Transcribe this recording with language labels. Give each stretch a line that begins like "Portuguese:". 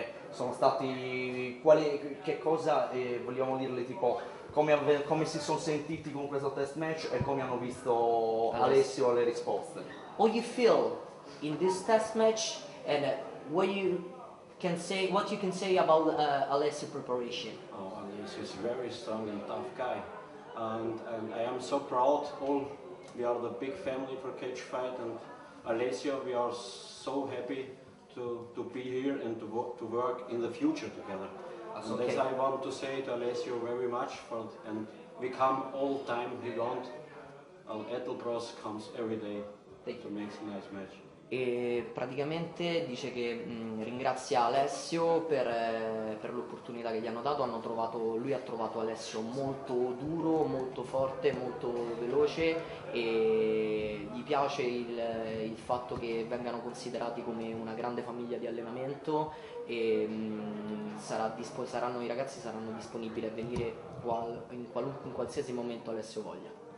Italian: Sono stati quali, che cosa vogliamo dirle, tipo come si sono sentiti con questo test match e come hanno visto Alessio le risposte.
English: What you feel in this test match and what you can say about Alessio's preparation? Oh, Alessio is very strong and tough guy. And I am so proud, all we are the big family for Cage Fight, and Alessio, we are so happy to be here and to work in the future together. That's okay. And this I want to say to Alessio very much, and we come all time we want. Al Ethel Bros comes every day to make a nice match.
Italian: E praticamente dice che ringrazia Alessio per l'opportunità che gli hanno dato. Lui ha trovato Alessio molto duro, molto forte, molto veloce, e gli piace il fatto che vengano considerati come una grande famiglia di allenamento, e i ragazzi saranno disponibili a venire in qualsiasi momento Alessio voglia.